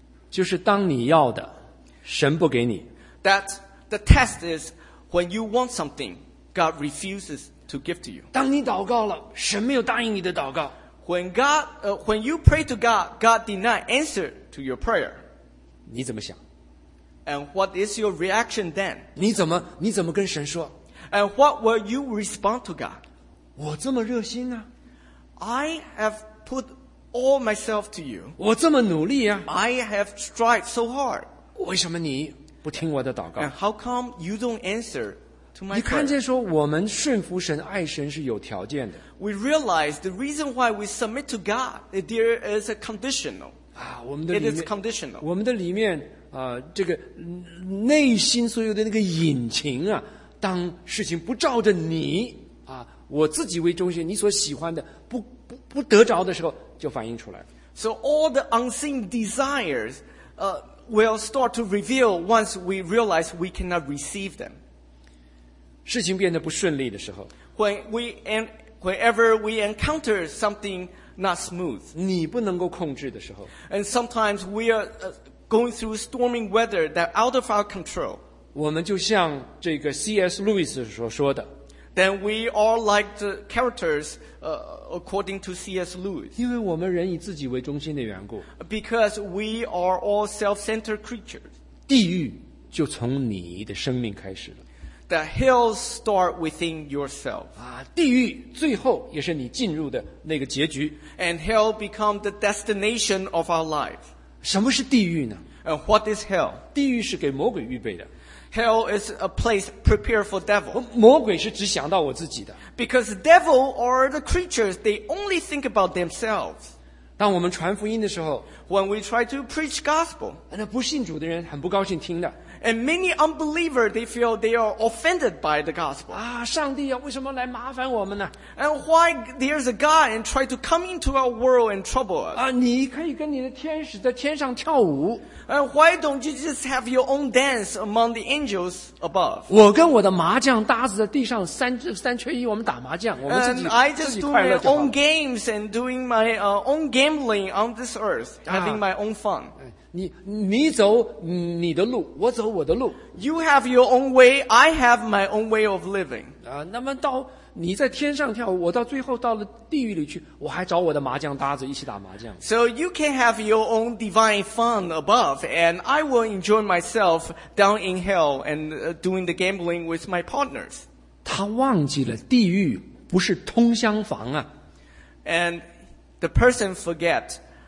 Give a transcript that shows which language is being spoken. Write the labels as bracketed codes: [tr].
[zh] 就是当你要的，神不给你 [en] That the test is when you want something. God refuses to give to you. [zh] 当你祷告了，神没有答应你的祷告。 [en] When you pray to God, God did not answer to your prayer. [zh] 你怎么想 [en] And what is your reaction then? [zh] 你怎么跟神说？ [en] And what will you respond to God? [zh] 我这么热心呢？ [en] I have put all myself to you. [zh] 我这么努力啊？ [en] I have tried so hard. [zh] 为什么你不听我的祷告？ [en] And how come you don't answer to my prayer? [zh] 你看见说我们顺服神、爱神是有条件的。 [en] We realize the reason why we submit to God, there is a conditional. [zh] 啊，我们的里面 [en] It is conditional. [zh] 我们的里面这个内心所有的那个隐情啊，当事情不照着你啊，我自己为中心，你所喜欢的不得着的时候，就反映出来。 [en] So all the unseen desires, will start to reveal once we realize we cannot receive them. [zh] 事情变得不顺利的时候 [en] ，whenever we encounter something not smooth, [zh] 你不能够控制的时候 [en] ，and sometimes we are. Going through stormy weather that out of our control. [zh] 我们就像这个 C.S. Lewis 所说的。 [en] Then we are like the characters, according to C.S. Lewis. [zh] 因为我们人以自己为中心的缘故。 [en] Because we are all self-centered creatures. [zh] 地狱就从你的生命开始了。 [en] The hells start within yourself. [zh] 啊，地狱最后也是你进入的那个结局。 [en] And hell become the destination of our life. [zh] 什么是地狱呢？ [en] And what is hell? [zh] 地狱是给魔鬼预备的。 [en] Hell is a place prepared for devil. [zh] 魔鬼是只想到我自己的。 [en] Because devil are the creatures, they only think about themselves. [zh] 当我们传福音的时候， [en] When we try to preach gospel, [zh] 那不信主的人很不高兴听的。 [en] And many unbelievers, they feel they are offended by the gospel. [zh] 啊，上帝啊，为什么来麻烦我们呢？ [en] And why there's a God and try to come into our world and trouble us? [zh] 啊，你可以跟你的天使在天上跳舞。 [en] And why don't you just have your own dance among the angels above? [zh] 我跟我的麻将搭子在地上三缺一，我们打麻将，我们自己快乐就好了。 [en] And I just do my own games and doing my own gambling on this earth, having my own fun. [zh] 你走你的路，我走我的路。 [en] You have your own way, I have my own way of living. [zh] 啊，那么到你在天上跳，我到最后到了地狱里去，我还找我的麻将搭子一起打麻将。 [en] So you can have your own divine fun above, and I will enjoy myself down in hell and doing the gambling with my partners. [zh] 他忘记了地狱不是通厢房啊。 [en] And the person forget.